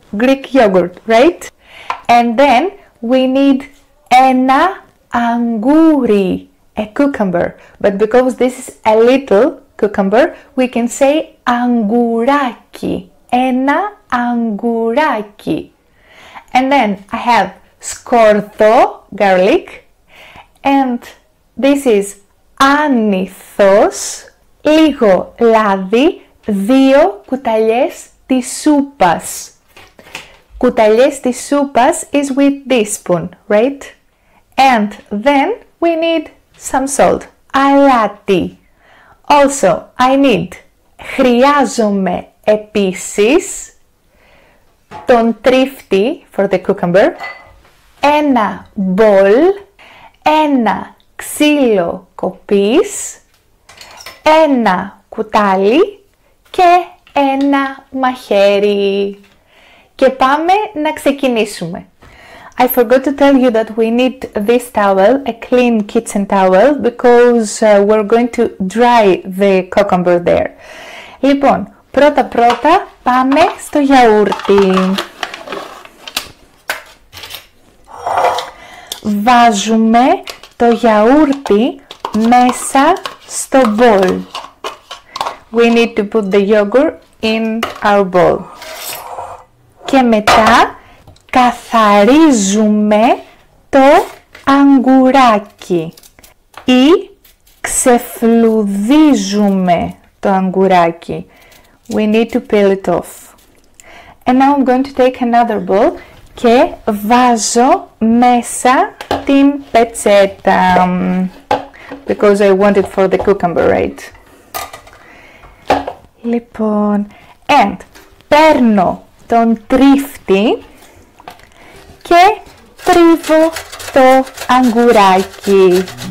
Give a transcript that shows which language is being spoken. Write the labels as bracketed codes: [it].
[en] Greek yogurt, right? And then we need [el] ένα αγγούρι, [en] a cucumber. But because this is a little cucumber, we can say αγγουράκι. [el] Ένα αγγουράκι. [en] And then I have σκόρδο, garlic. And this is [el] άνηθος, λίγο λάδι, δύο κουταλιές της σούπας. Κουταλιές της σούπας [en] is with teaspoon, right? And then we need some salt. [el] Αλάτι. [en] Also, I need. [el] Χρειάζομαι επίσης τον τρίφτη [en] for the cucumber. [el] Ένα μπολ. Ένα ξύλο κοπής. Ένα κουτάλι. Και ένα μαχαίρι. Και πάμε να ξεκινήσουμε. [en] I forgot to tell you that we need this towel, a clean kitchen towel, because we're going to dry the cucumber there. [el] Λοιπόν, πρώτα πάμε στο γιαούρτι. Βάζουμε το γιαούρτι μέσα στο bowl. [en] We need to put the yogurt in our bowl. [el] Και μετά καθαρίζουμε το αγγουράκι ή ξεφλουδίζουμε το αγγουράκι. [en] We need to peel it off. And now I'm going to take another bowl [el] και βάζω μέσα την πετσέτα. [en] Because I want it for the cucumber, right? [el] Λοιπόν, and παίρνω τον τρίφτη και τρίβω το αγγουράκι.